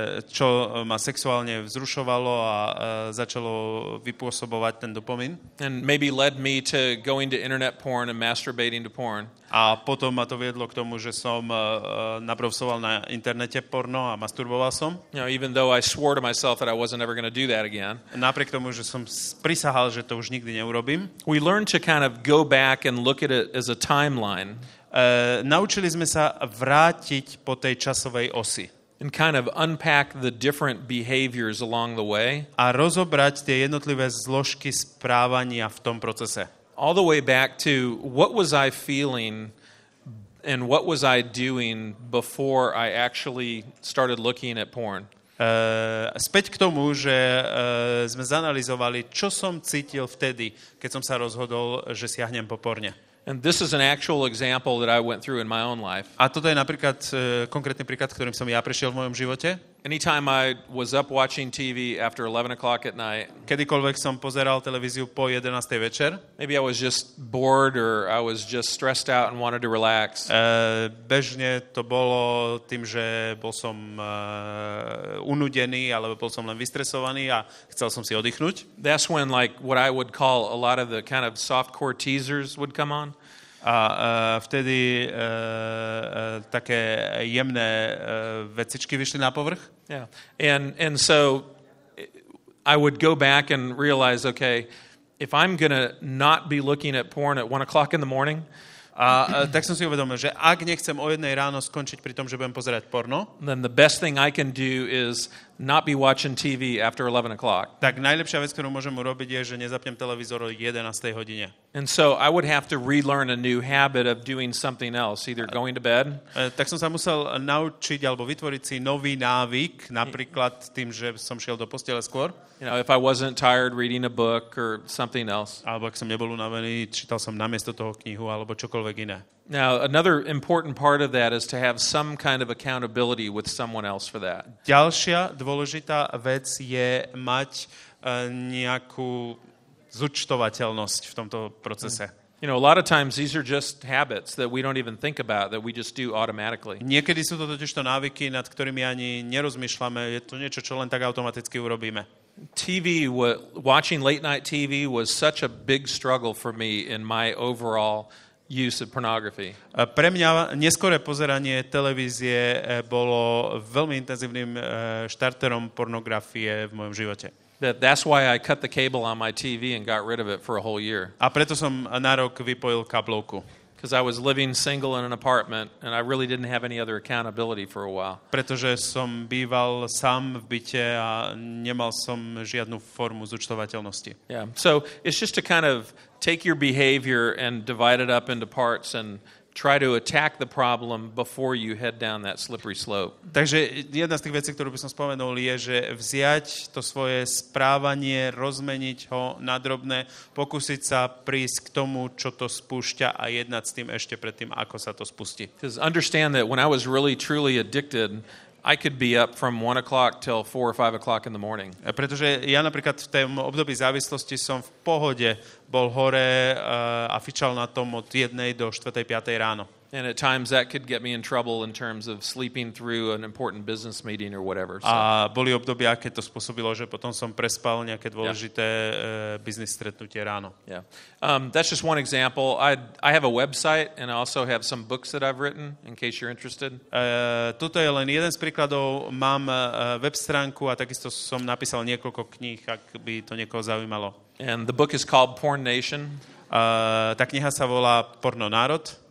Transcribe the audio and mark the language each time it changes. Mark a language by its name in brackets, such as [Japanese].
[Slovak] Čo ma sexuálne vzrušovalo a začalo vypôsobovať ten dopamin. [English] And maybe led me to going to internet porn and masturbating to porn. [Slovak] A potom ma to viedlo k tomu, že som naprovsoval na internete porno a masturboval som. [English] You know, even though I swore to myself that I wasn't ever going to do that again. [Slovak] Napriek tomu, že som prisahal, že to už nikdy neurobím. [English] We learned to kind of go back and look at it as a timeline. [Slovak] Naučili sme sa vrátiť po tej časovej osi. [English] And kind of unpack the different behaviors along the way. [Slovak] A rozobrať tie jednotlivé zložky správania v tom procese. [English] All the way back to what was I feeling and what was I doing before I actually started looking at porn? [Slovak] Späť k tomu, že sme zanalyzovali, čo som cítil vtedy, keď som sa rozhodol, že siahnem po porne. [English] And this is an actual example that I went through in my own life. [Slovak] A toto je napríklad konkrétny príklad, ktorým som ja prešiel v mojom živote. [English] Anytime I was up watching TV after 11 o'clock at night. [Slovak] Kedykoľvek som pozeral televíziu po 11:00 večer. [English] Maybe I was just bored or I was just stressed out and wanted to relax. [Slovak] Bežne to bolo tým, že bol som unudený alebo bol som len vystresovaný a chcel som si oddychnúť. [English] That's when like what I would call a lot of the kind of softcore teasers would come on. [Slovak] A vtedy také jemné vecičky vyšli na povrch. [English] Yeah. And so I would go back and realize, okay, if I'm gonna not be looking at porn at 1 o'clock in the morning, [Slovak] tak som si uvedomil, že ak nechcem o jednej ráno skončiť pri tom, že budem pozerať porno, [English] then the best thing I can do is not be watching TV after 11 o'clock. [Slovak] Tak najlepšia vec, ktorú môžem urobiť, je, že nezapnem televízor o 11. hodine. [English] And so I would have to relearn a new habit of doing something else, either going to bed. [Slovak] Tak som sa musel naučiť alebo vytvoriť si nový návyk, napríklad tým, že som šiel do postele skôr. [English] You know, if I wasn't tired reading a book or something else. [Slovak] Alebo ak som nebol unavený, čítal som namiesto toho knihu alebo čokoľvek iné. [English] Now, another important part of that is to have some kind of accountability with someone else for that. [Slovak] Ďalšia dôležitá vec je mať nejakú zúčtovateľnosť v tomto procese. [English] You know, a lot of times these are just habits that we don't even think about, that we just do automatically. [Slovak] Niekedy sú to totižto návyky, nad ktorými ani nerozmýšľame, je to niečo, čo len tak automaticky urobíme. [English] TV, watching late night TV was such a big struggle for me in my overall use of pornography. [Slovak] Pre mňa neskoré pozeranie televízie bolo veľmi intenzívnym štarterom pornografie v mojom živote. [English] That's why I cut the cable on my TV and got rid of it for a whole year. [Slovak] A preto som na rok vypojil kablovku. [English] Because I was living single in an apartment and I really didn't have any other accountability for a while. [Slovak] Pretože som býval sám v byte a nemal som žiadnu formu zúčtovateľnosti. [English] Yeah. So it's just to kind of take your behavior and divide it up into parts and try to attack the problem before you head down that slippery slope. [Slovak] Takže jedna z tých vecí, ktorú by som spomenul, je, že vziať to svoje správanie, rozmeniť ho na drobné, pokúsiť sa prísť k tomu, čo to spúšťa a jednať s tým ešte predtým, ako sa to spustí. [English] Because understand that when I was really truly addicted, I could be up from 1 o'clock till 4 or 5 o'clock in the morning. [Slovak] Pretože ja napríklad v tom období závislosti som v pohode bol hore a fičal na tom od 1 do 4. 5. ráno. [English] And at times that could get me in trouble in terms of sleeping through an important business meeting or whatever. [Slovak] A boli obdobia, keď to spôsobilo, že potom som prespal nejaké dôležité business stretnutie ráno. [English] Yeah. That's just one example. I have a website and I also have some books that I've written in case you're interested. [Slovak] Toto je len jeden z príkladov. Mám web stránku a takisto som napísal niekoľko kníh, ak by to niekoho zaujímalo. [English] And the book is called Porn Nation. [Slovak] Tá kniha sa volá Porno národ.